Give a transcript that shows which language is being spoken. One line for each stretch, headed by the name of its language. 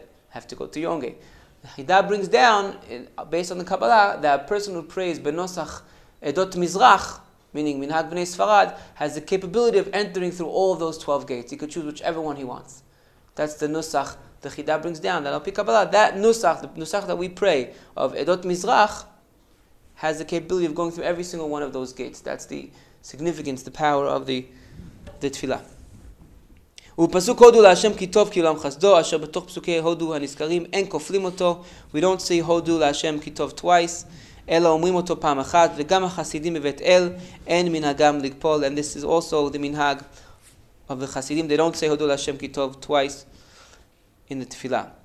English: You have to go to your own gate. The Chiddah brings down, based on the Kabbalah, that a person who prays Benosach Edot Mizrach, meaning Minhag Bnei Sfarad, has the capability of entering through all of those 12 gates. He could choose whichever one he wants. That's the Nusach the Chiddah brings down. That Alpi Kabbalah, that Nusach, the Nusach that we pray of Edot Mizrach, has the capability of going through every single one of those gates. That's the significance, the power of the Tefillah.
Hebrew: ופסוק הודו להשם כי טוב כי עולם חסדו, אשר בתוך פסוקי הודו הנזכרים אין כופלים אותו.
English: We don't say
Hebrew: הודו להשם כי טוב twice, אלא אומרים אותו פעם אחת, וגם החסידים בבית אל אין מנהגם לגפול.
English: And this is also the מנהג of the חסידים. They don't say הודו להשם כי טוב twice in the תפילה.